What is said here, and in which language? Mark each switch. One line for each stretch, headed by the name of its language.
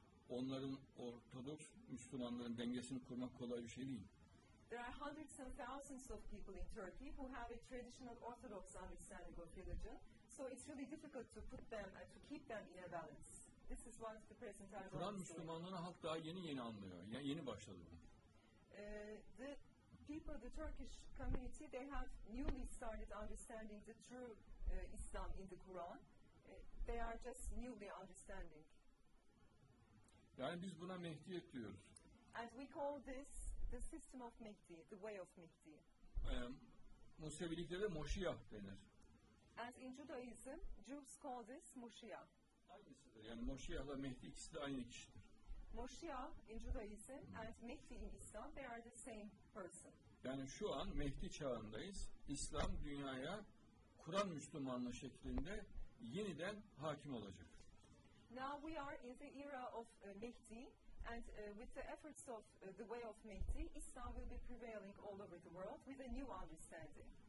Turkish: Onların Ortodoks Müslümanların dengesini kurmak kolay bir şey değil.
English: There are hundreds and thousands of people in Turkey who have a traditional Orthodox understanding of religion. So it's really difficult to put them and to keep them in a balance. This is what the present time.
Turkish: Kur'an Müslümanlığını halk daha yeni anlıyor. Yani yeni başladı bu.
English: The people, the Turkish community, they have newly started understanding the true Islam in the Quran. They are just newly understanding.
Turkish: Yani biz buna Mehdiyet diyoruz.
English: And we call this the system of Mehdi, the way of Mehdi.
Turkish: Musevilikte de Moşiyah denir.
English: And in Judaism, Jews call this Moşiyah.
Turkish: Aynısıdır. Yani Moşiyah ile Mehdi ikisi de aynı kişidir.
English: Moşiyah in Judaism and Mehdi in Islam, they are the same person.
Turkish: Yani şu an Mehdi çağındayız. İslam dünyaya Kur'an Müslümanlığı şeklinde yeniden hakim olacak.
English: Now we are in the era of Mehdi and with the efforts of the way of Mehdi, Islam will be prevailing all over the world with a new understanding.